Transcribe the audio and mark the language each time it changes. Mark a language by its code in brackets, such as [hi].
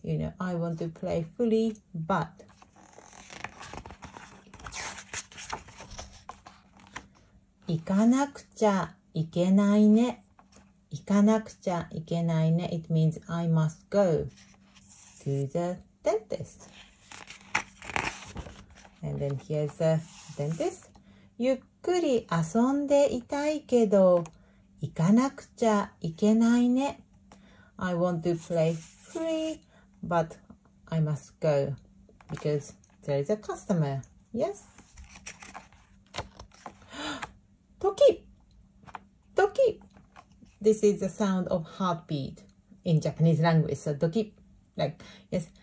[en] You know, I want to play fully, but... [ja] 行かなくちゃいけないね。行かなくちゃいけないね。 [en] It means I must go to the dentist. And then here's the dentist. [ja] ゆっくり遊んでいたいけど、行かなくちゃいけないね。 [en] I want to play free, but I must go because there is a customer. Yes? [ja] Doki! [en] This is the sound of heartbeat in Japanese language. So, doki! Like, yes.